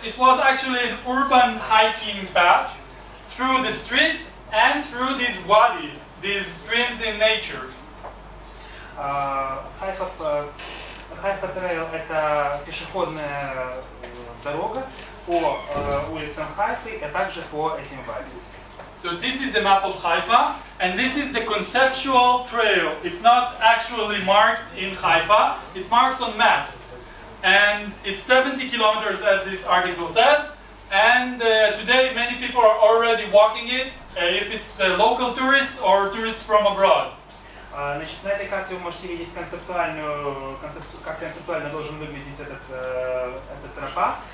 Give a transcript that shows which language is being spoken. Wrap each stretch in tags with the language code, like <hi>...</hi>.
<en>It was actually an urban hiking path through the streets and through these wadis, these streams in nature.</en> <ru>Haifa Trail – это пешеходная дорога по улицам Хайфы, а также по этим вадис.</ru> <en>So this is the map of Haifa, and this is the conceptual trail. It's not actually marked in Haifa, it's marked on maps. And it's 70 kilometers, as this article says. And today, many people are already walking it, if it's the local tourists or tourists from abroad.</en> <ru>Значит, на этой карте вы можете видеть концептуально должен выглядеть этот тропа.</ru>